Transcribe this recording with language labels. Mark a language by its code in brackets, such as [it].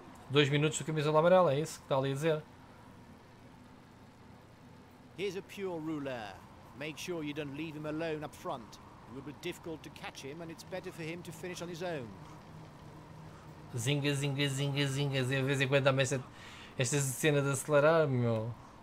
[pt] 2 minutos do camisola amarela, é isso que está ali a dizer. [en] Here's a pure ruler. Make sure you don't leave him alone up front. It will be difficult to catch him, and it's better for him to finish on his own. Zinga, zinga, zinga, zinga. [pt] De vez em quando há esta cena de acelerar, meu.